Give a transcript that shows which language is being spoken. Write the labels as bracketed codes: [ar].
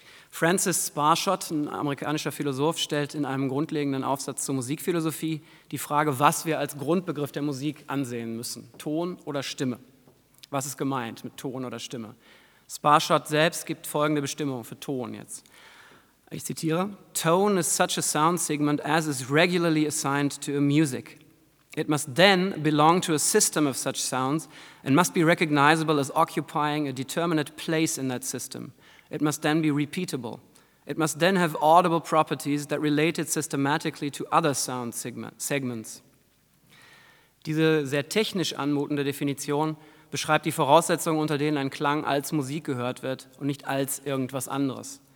[de] Francis Sparshot, ein amerikanischer Philosoph, stellt in einem grundlegenden Aufsatz zur Musikphilosophie die Frage, was wir als Grundbegriff der Musik ansehen müssen, Ton oder Stimme. Was ist gemeint mit Ton oder Stimme? Sparshot selbst gibt folgende Bestimmung für Ton jetzt. Ich zitiere: [en] Tone is such a sound segment as is regularly assigned to a music. It must then belong to a system of such sounds and must be recognizable as occupying a determinate place in that system. It must then be repeatable. It must then have audible properties that relate it systematically to other sound segments. [de] Diese sehr technisch anmutende Definition beschreibt die Voraussetzungen, unter denen ein Klang als Musik gehört wird und nicht als irgendwas anderes.